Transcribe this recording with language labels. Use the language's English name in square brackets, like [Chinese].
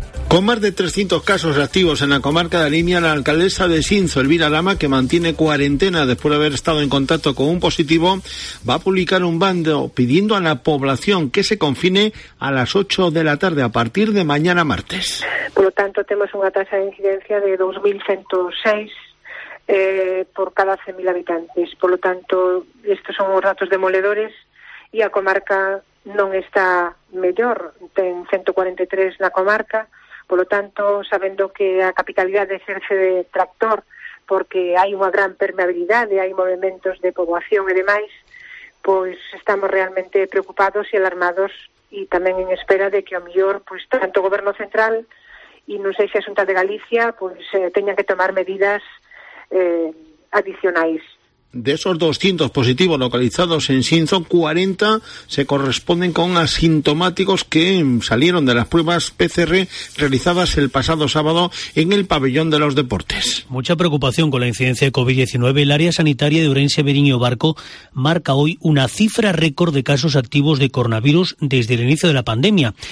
[Spanish] Con más de 300 casos activos en la comarca de Alimia, la alcaldesa de Xinzo, Elvira Lama, que mantiene cuarentena después de haber estado en contacto con un positivo, va a publicar un bando pidiendo a la población que se confine a las 8 de la tarde, a partir de mañana martes. Por lo tanto, tenemos una tasa de incidencia de 2.106 por cada 100.000 habitantes. Por lo tanto, estos son los datos demoledores y la comarca no está mejor. [Galician] Ten 143 [Spanish] la comarca. Por lo tanto, [Galician] sabendo que a capitalidade exerce de tractor porque hai unha gran permeabilidade, hai movimentos de poboación e demais, pois estamos realmente preocupados e alarmados e tamén en espera de que o mellor, pois tanto o Goberno Central e non sei se a Xunta de Galicia, pois teñan que tomar medidas adicionais. [Spanish] De esos 200 positivos localizados en Xinzo, 40 se corresponden con asintomáticos que salieron de las pruebas PCR realizadas el pasado sábado en el pabellón de los deportes. Mucha preocupación con la incidencia de COVID-19. El área sanitaria de Ourense Veriño Barco marca hoy una cifra récord de casos activos de coronavirus desde el inicio de la pandemia.